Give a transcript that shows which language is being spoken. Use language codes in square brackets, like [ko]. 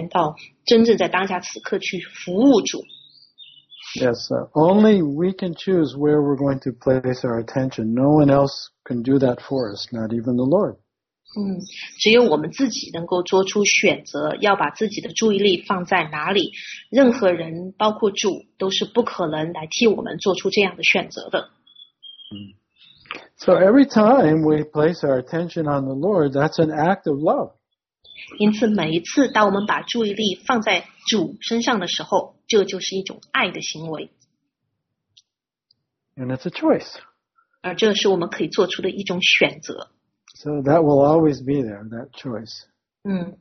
[zh] 因此我们可以做出选择，是要让自己活在玛雅，活在幻觉之中，活在心理之中，总是在悲叹着过去，然后幻想着未来，或者我们可以选择现实，选择生命的现实，选择活在当下，然后真正的去体验到当下此刻的生命，体验到真正在当下此刻去服务主。 [en] Yes, only we can choose where we're going to place our attention. No one else can do that for us, not even the Lord. [zh] 只有我们自己能够做出选择，要把自己的注意力放在哪里，任何人包括主都是不可能来替我们做出这样的选择的。 [en] So every time we place our attention on the Lord, that's an act of love. [zh] 因此每一次当我们把注意力放在主身上的时候， 这就是一种爱的行为。 [en] And it's a choice. [zh] 而这是我们可以做出的一种选择。 [en] So that will always be there, that choice.